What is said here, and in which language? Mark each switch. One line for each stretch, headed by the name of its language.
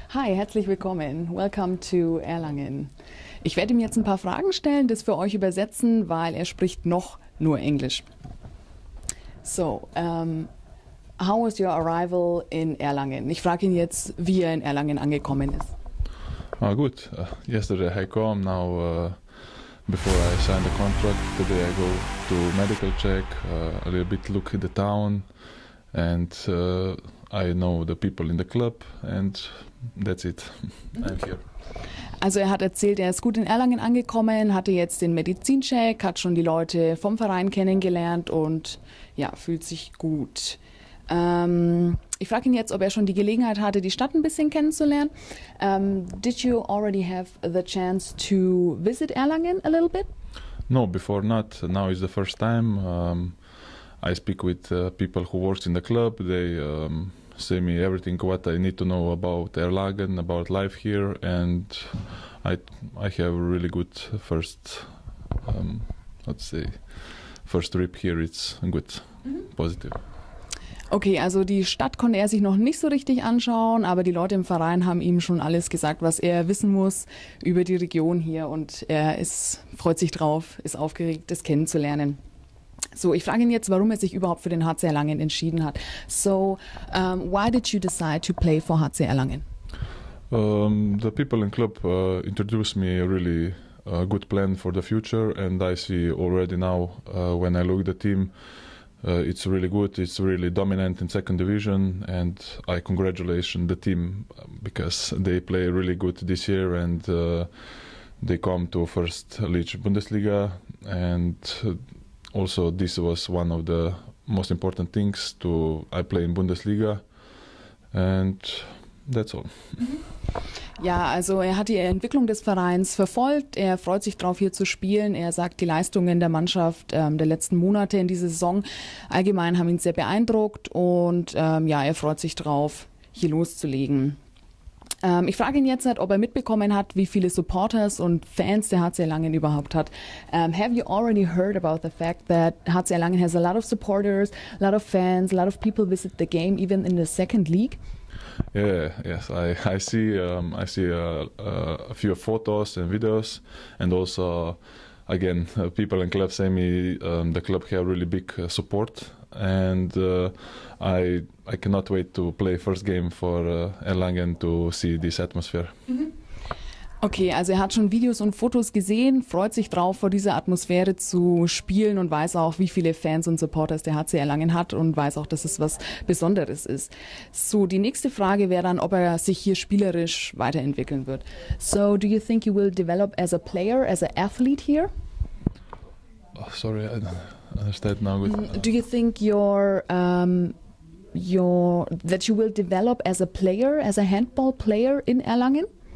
German: Hi, herzlich willkommen.
English: Welcome to Erlangen.
German: Ich werde ihm jetzt ein paar Fragen stellen, das für euch übersetzen, weil er spricht noch nur Englisch.
English: So, how was your arrival in Erlangen?
German: Ich frage ihn jetzt, wie er in Erlangen angekommen ist. Ah, gut.
English: Yesterday I come, now before I sign the contract, today I go to medical check, a little bit look at the town, and I know the people in the club, and that's it. Mm-hmm. I'm here.
German: Also er hat erzählt, er ist gut in Erlangen angekommen, hatte jetzt den Medizincheck, hat schon die Leute vom Verein kennengelernt und ja, fühlt sich gut. Ich frage ihn jetzt, ob er schon die Gelegenheit hatte, die Stadt ein bisschen kennenzulernen.
English: Did you already have the chance to visit Erlangen a little bit? No, before not. Now is the first time. I speak with people who works in the club. They say me everything what I need to know about Erlangen, about life here, and I have a really good first, first trip here. It's good, positive.
German: Okay, also die Stadt konnte er sich noch nicht so richtig anschauen, aber die Leute im Verein haben ihm schon alles gesagt, was er wissen muss über die Region hier und er freut sich drauf, ist aufgeregt, es kennenzulernen. So, ich frage ihn jetzt, warum er sich überhaupt für den HC Erlangen entschieden hat.
English: So, why did you decide to play for HC Erlangen? The people in club introduced me really good plan for the future and I see already now when I look at the team. It's really good, it's really dominant in second division and I congratulate the team because they play really good this year and they come to first league Bundesliga and also this was one of the most important things to I play in Bundesliga and that's all.
German: Ja, also er hat die Entwicklung des Vereins verfolgt. Er freut sich drauf, hier zu spielen. Er sagt, die Leistungen der Mannschaft der letzten Monate in dieser Saison allgemein haben ihn sehr beeindruckt. Und ja, er freut sich drauf, hier loszulegen. Ich frage ihn jetzt, ob er mitbekommen hat, wie viele Supporters und Fans der HC Erlangen überhaupt hat.
English: Have you already heard about the fact that HC Erlangen has a lot of supporters, a lot of fans, a lot of people visit the game, even in the second league? Yeah, yes, I see a few photos and videos, and also again people in club say me the club have really big support, and I cannot wait to play first game for Erlangen to see this atmosphere. Mm-hmm.
German: Okay, also er hat schon Videos und Fotos gesehen, freut sich drauf, vor dieser Atmosphäre zu spielen und weiß auch, wie viele Fans und Supporters der HC Erlangen hat und weiß auch, dass es was Besonderes ist. So, die nächste Frage wäre dann, ob er sich hier spielerisch weiterentwickeln wird.
English: So, do you think you will develop as a player, as an athlete here? Oh, sorry, I don't understand now. Do you think that you will develop as a player, as a handball player in Erlangen?